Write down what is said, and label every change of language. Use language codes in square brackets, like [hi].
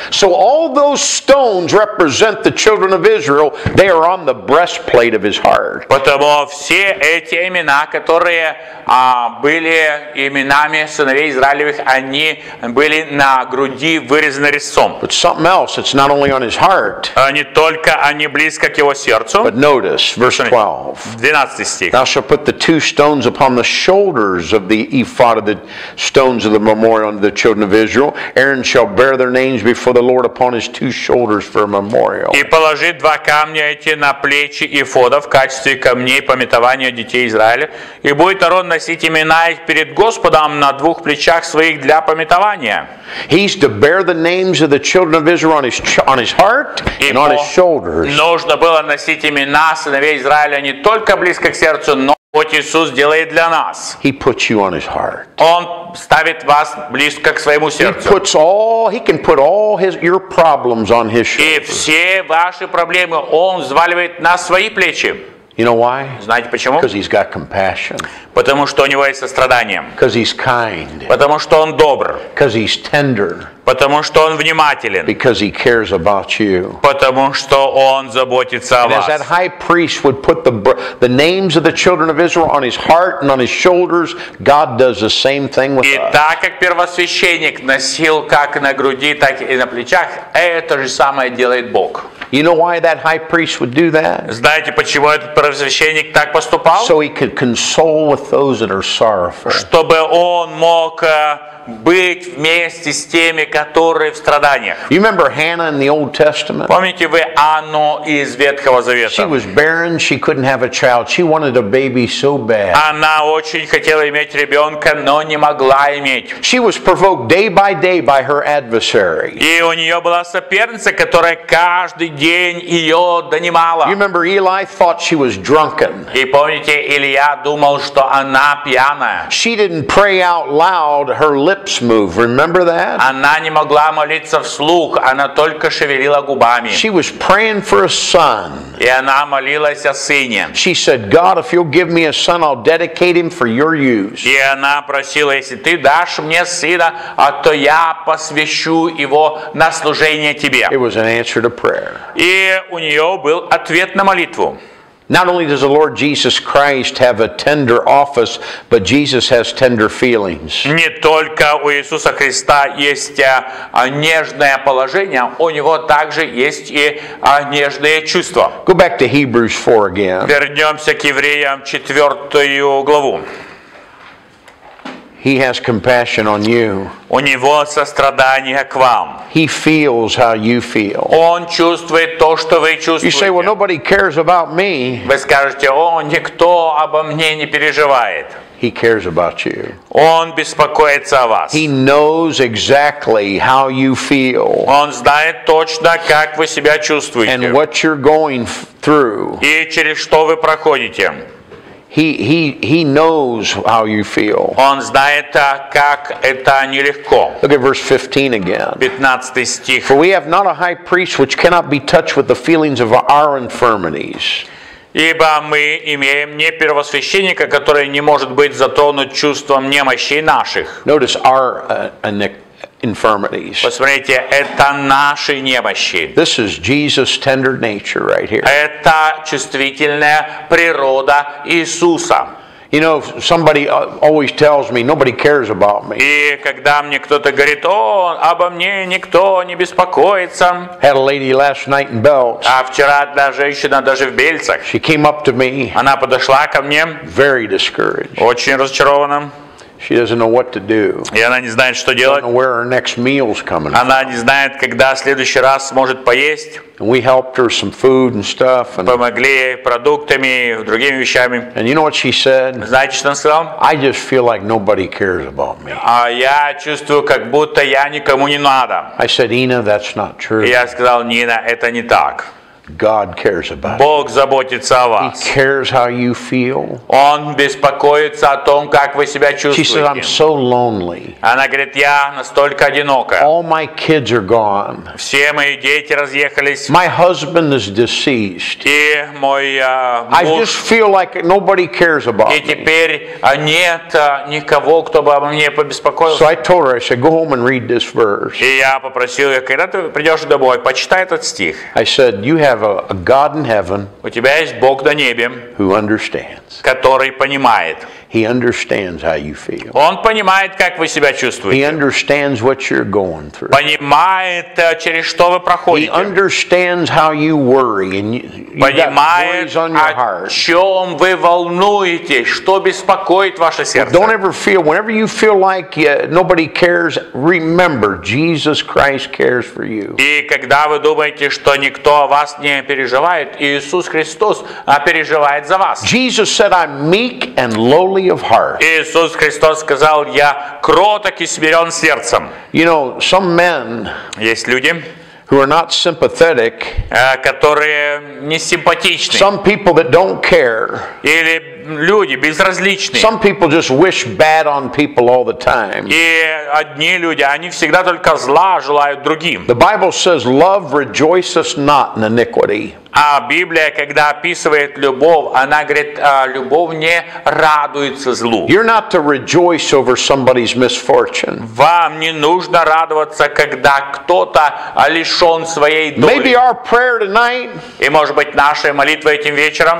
[en] So all those stones represent the children of Israel, they are on the breastplate of his heart. [ru] Потому все эти имена, которые были именами сыновей Израилевых, они были на груди вырезаны резцом. [en] But something else, it's not only on his heart. [ru] Не только они близко к его сердцу. [en] But notice, verse 12. [ru] 12 стих. [en] Thou shalt put the two stones upon the shoulders of the ephod of the stones of the memorial unto the children of Israel. Aaron shall bear their names before the Lord upon his two shoulders for a memorial. [ru] И положи два камня эти на плечи ефода в качестве камней памятования детей Израиля, и будет Аарон носить имена их перед Господом на двух плечах своих для памятования. [en] He's to bear the names of the children of Israel on his heart and on his shoulders. [ru] Нужно было носить имена сыновей Израиля не только близко к сердцу, но вот Иисус делает для нас. [en] He puts you on his heart. [ru] Он ставит вас близко к своему сердцу. [en] He can put all your problems on his shoulders. [ru] И все ваши проблемы он взваливает на свои плечи. [en] You know why? [ru] Знаете почему? [en] Because he's got compassion. [ru] Потому что у него есть сострадание. [en] Because he's kind. [ru] Потому что он добр. [en] Because he's tender. [ru] Потому что он внимателен. [en] Because he cares about you. [ru] Потому что он заботится о вас. [en] As that high priest would put the names of the children of Israel on his heart and on his shoulders, God does the same thing with us. [ru] И так как первосвященник носил как на груди, так и на плечах, это же самое делает Бог. [en] You know why that high priest would do that? [ru] Знаете, почему этот первосвященник так поступал? [en] So he could console with those that are sorrowful. [ru] Чтобы он мог быть вместе с теми, которые в страданиях. [en] You remember Hannah in the Old Testament? [ru] Помните вы Анну из Ветхого Завета? [en] She was barren, she couldn't have a child. She wanted a baby so bad. [ru] Она очень хотела иметь ребенка, но не могла иметь. [en] She was provoked day by day by her adversary. [ru] И у нее была соперница, которая каждый день ее донимала. [en] You remember Eli thought she was drunken. [ru] И помните, Илья думал, что она пьяная. [en] She didn't pray out loud, her lips move. Remember that? [ru] Она не могла молиться вслух, она только шевелила губами. [en] She was praying for a son. [ru] И она молилась о сыне. [en] She said, God, if you'll give me a son, I'll dedicate him for your use. [ru] И она просила, если ты дашь мне сына, а то я посвящу его на служение тебе. [en] It was an answer to prayer. [ru] И у нее был ответ на молитву. [en] Not only does the Lord Jesus Christ have a tender office, but Jesus has tender feelings. [ru] Не только у Иисуса Христа есть нежное положение, у него также есть и нежные чувства. [en] Go back to Hebrews 4 again. [ru] Вернемся к Евреям 4 главу. [en] He has compassion on you. [ru] У него сострадание к вам. [en] He feels how you feel. [ru] Он чувствует то, что вы чувствуете. [en] You say, well, nobody cares about me. [ru] Вы скажете, о, никто обо мне не переживает. [en] He cares about you. [ru] Он беспокоится о вас. [en] He knows exactly how you feel. [ru] Он знает точно, как вы себя чувствуете. [en] And what you're going through. [ru] И через что вы проходите. [en] He knows how you feel. [ru] Он знает, как это нелегко. [en] Look at verse 15 again. [ru] 15 стих. [en] For we have not a high priest which cannot be touched with the feelings of our infirmities. [ru] Ибо мы имеем не первосвященника, который не может быть затронут чувством немощи наших. [en] Notice our infirmities. [ru] Посмотрите, это наши немощи. [en] This is Jesus' tender nature right here. [ru] Это чувствительная природа Иисуса. [en] You know, somebody always tells me nobody cares about me. [ru] И когда мне кто-то говорит, о, обо мне никто не беспокоится. [en] Had a lady last night in belts. [ru] А вчера одна женщина даже в бельцах. [en] She came up to me. [ru] Она подошла ко мне. [en] Very discouraged. [ru] Очень разочарованным. [en] She doesn't know what to do. [ru] И она не знает, что делать. [en] She doesn't know where her next meal's coming from. [ru] Она не знает, когда следующий раз сможет поесть. [en] And we helped her some food and stuff. And [ru] помогли ей продуктами, другими вещами. [en] And you know what she said? [ru] Знаете, что она сказала? [en] I just feel like nobody cares about me. [ru] А я чувствую, как будто я никому не надо. [en] I said, Ina, that's not true. [ru] И я сказал, Нина, это не так. [en] God cares about you. [ru] Бог заботится о вас. [en] He cares how you feel. [ru] Он беспокоится о том, как вы себя чувствуете. [en] She said, I'm so lonely. [ru] Она говорит, я настолько одинока. [en] All my kids are gone. [ru] Все мои дети разъехались. [en] My husband is deceased. [ru] И мой муж. [en] I just feel like nobody cares about me. [ru] И теперь нет никого, кто бы обо мне побеспокоился. [en] So I told her, I said, go home and read this verse. [ru] И я попросил ее, когда ты придешь домой, почитай этот стих. [en] I said, You have a God in heaven who understands. [ru] Который понимает. [en] He understands how you feel. [ru] Он понимает, как вы себя чувствуете. [en] He understands what you're going through. [ru] Понимает, через что вы проходите. [en] He understands how you worry and you've got worries on your heart. [ru] Понимает, о чем вы волнуетесь, что беспокоит ваше сердце. [en] Don't ever feel, whenever you feel like nobody cares, remember, Jesus Christ cares for you. [ru] И когда вы думаете, что никто о вас не переживает, Иисус Христос переживает за вас. [en] Jesus said, I'm meek and lowly. Holy of heart. [ru] Иисус Христос сказал, я кроток и смирен сердцем. [en] You know, some men [ru] есть люди, [en] who are not sympathetic, [ru] которые не симпатичны. [en] Some people that don't care. [ru] Или люди безразличные. [en] Some people just wish bad on people all the time. [ru] И одни люди, они всегда только зла желают другим. [en] The Bible says, love rejoices not in iniquity. [ru] А Библия, когда описывает любовь, она говорит, любовь не радуется злу. [en] You're not to rejoice over somebody's misfortune. [ru] Вам не нужно радоваться, когда кто-то лишен своей доли. [en] Maybe our prayer tonight. [ru] И может быть наша молитва этим вечером.